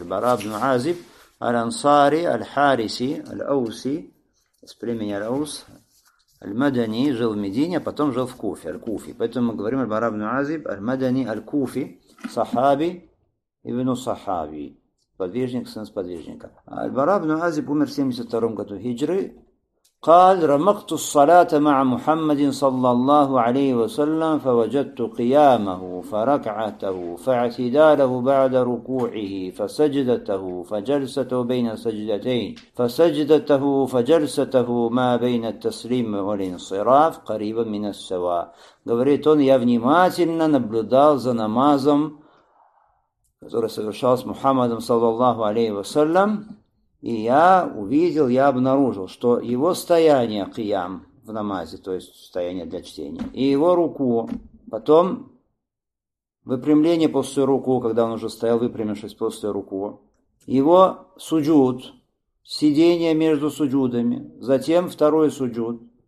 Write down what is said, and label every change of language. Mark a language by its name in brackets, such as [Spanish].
[Russian] Бара ибн Азиб – Аль-Ансари, Аль-Хариси, Аль-Ауси, с племени Аль-Аус, Аль-Мадани, жил в Медине, а потом жил в Куфе, Аль-Куфи. Поэтому мы говорим Бара ибн Азиб, Аль-Мадани, Аль-Куфи, Сахаби, ибн Сахаби, сподвижник, сын сподвижника. Бара ибн Азиб умер в 72 году хиджры. [Arabic] قال رمقت الصلاة مع محمد صلى الله عليه وسلم فوجدت قيامه فركعته فاعتداله بعد ركوعه فسجدته فجلسته بين سجدتين فسجدته فجلسته ما بين التسليم والانصراف قريبا من السواء. [Russian] Говорит он, я внимательно наблюдал за намазом, который совершал с Мухаммадом [Arabic] صلى الله عليه وسلم. [Russian] И я увидел, я обнаружил, что его стояние киям в намазе, то есть стояние для чтения, и его руку, потом выпрямление после руку, когда он уже стоял, выпрямившись после руку, его суджуд, сидение между суджудами, затем второй суджуд,